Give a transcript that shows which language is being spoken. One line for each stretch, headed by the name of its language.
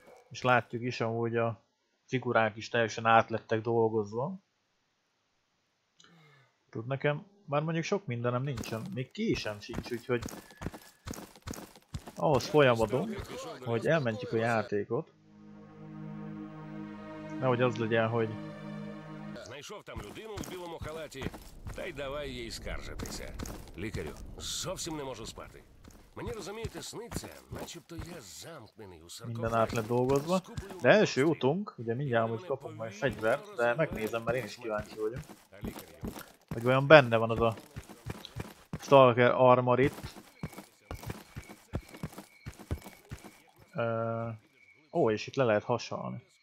Hungarian: És látjuk is, ahogy a figurák is teljesen átlettek dolgozva. Tud nekem, már mondjuk sok mindenem nincsen, még ki sem sincs, úgyhogy ahhoz folyamodom, hogy elmentjük a játékot. Nehogy az legyen, hogy...
Ukrainian: Знайшов там людину в білому халаті, та й давай їй скаржитися. Лікарю, зовсім не можу спати. Мені, розумієте, сниться, начебто я замкнений у саркофагі.
Hungarian: Minden átlen dolgozva. De első utunk, ugye mindjárt úgy kapunk majd fegyvert, de megnézem, mert én is kíváncsi vagyok. Hogy vajon benne van az a Stalker armor itt. Ó, és itt le lehet hasalni.